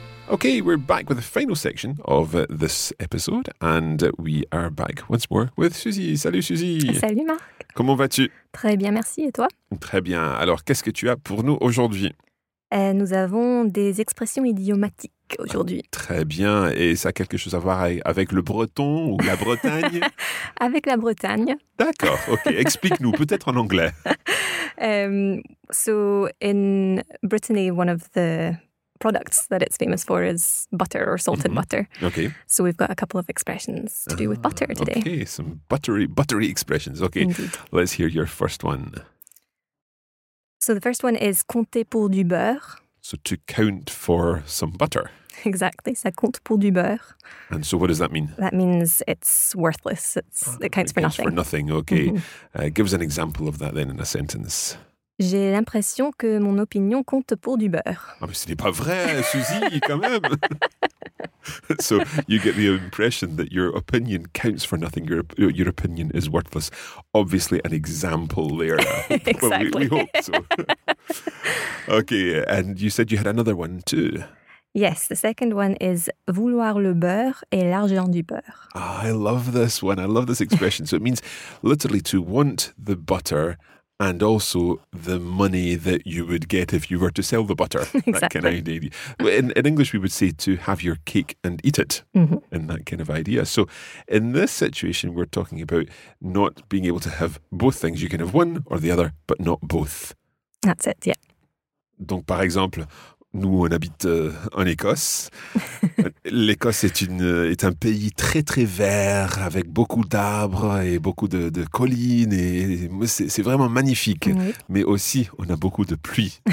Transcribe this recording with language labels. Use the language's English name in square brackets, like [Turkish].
[English] Okay, we're back with the final section of this episode, and we are back once more with Suzy. [French] Salut Suzy. Salut Marc. Comment vas-tu? Très bien, merci. Et toi? Très bien. Alors, qu'est-ce que tu as pour nous aujourd'hui? Nous avons des expressions idiomatiques. basque aujourd'hui. Ah, très bien. Et ça a quelque chose à voir avec le breton ou la Bretagne? Avec la Bretagne. D'accord. Ok. Explique-nous, peut-être en anglais. [English] So in Brittany, one of the products that it's famous for is butter or salted butter. Okay. So we've got a couple of expressions to do with butter today. Okay, some buttery expressions. Okay. Indeed. Let's hear your first one. So the first one is [French] compter pour du beurre. [English] So to count for some butter. Exactly. [French] Ça compte pour du beurre. [English] And so what does that mean? That means it's worthless. It counts for nothing. Okay. Mm-hmm. Give us an example of that then in a sentence. [French] J'ai l'impression que mon opinion compte pour du beurre. Ah, mais ce n'est pas vrai, Suzy, quand même. [English] So, you get the impression that your opinion counts for nothing. Your opinion is worthless. Obviously, an example there. Exactly. Well, we hope so. Okay, and you said you had another one too. Yes, the second one is [French] vouloir le beurre et l'argent du beurre. [English] Ah, I love this one. I love this expression. So, it means literally to want the butter and also the money that you would get if you were to sell the butter. Exactly. That kind of idea. In English, we would say to have your cake and eat it, in that kind of idea. So in this situation, we're talking about not being able to have both things. You can have one or the other, but not both. That's it, yeah. [French] Donc, par exemple, nous, on habite en Écosse. L'Écosse est un pays très, très vert, avec beaucoup d'arbres et beaucoup de collines. Et c'est vraiment magnifique. Oui. Mais aussi, on a beaucoup de pluie.